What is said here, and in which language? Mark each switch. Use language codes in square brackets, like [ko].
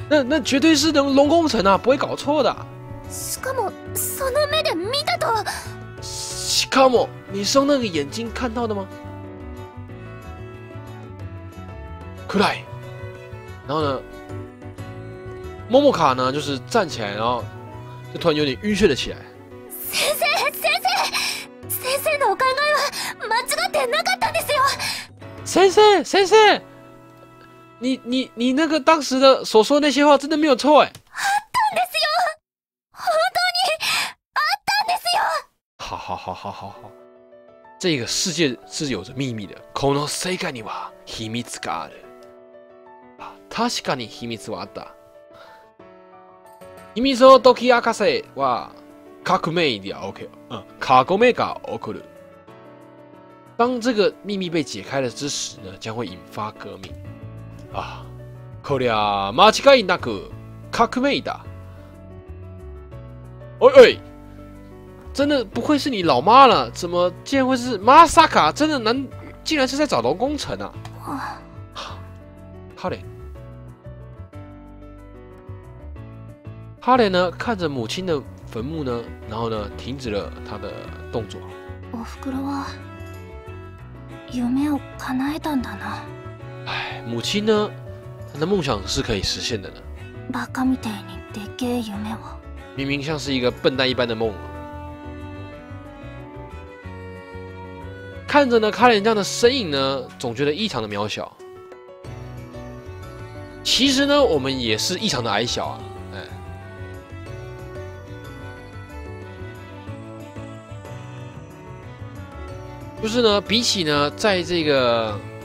[zh] 那绝对是龙宫城啊，不会搞错的。 [ja] しかもその目で見たと。しかも， [zh] 你是用那个眼睛看到的吗？ [ja] くらい。 [zh] 然后呢，モモカ呢就是站起来，然后就突然有点晕眩了起来。 [ja] 先生，先生，先生のお考えは間違ってなかったんですよ。先生，先生。 [zh] 你那个当时的所说的那些话真的没有错哎。 [ja] あったんですよ。本当にあったんですよ。 [zh] 好好好好好好。这个世界是有着秘密的。 [ja] この世界には秘密がある。あ、確かに秘密はあった。秘密を解き明かせは革命で OK。嗯、革命が起こる。 [zh] 当这个秘密被解开了之时呢，将会引发革命。 [ja] 啊，こりゃ間違いなく革命だ。 [zh] 喂喂，真的不愧是你老妈了，怎么竟然会是马萨卡？真的难，竟然是在找龙宫城啊！哈莲，哈莲呢？看着母亲的坟墓呢，然后呢，停止了他的动作。 [ja] おふくろは夢を叶えたんだな。 [zh] 哎，母亲呢？她的梦想是可以实现的呢。 [ja] バカみたいにでけえ夢を。 [zh] 明明像是一个笨蛋一般的梦。看着呢，卡莲这样的身影呢，总觉得异常的渺小。其实呢，我们也是异常的矮小啊。哎，就是呢，比起呢，在这个。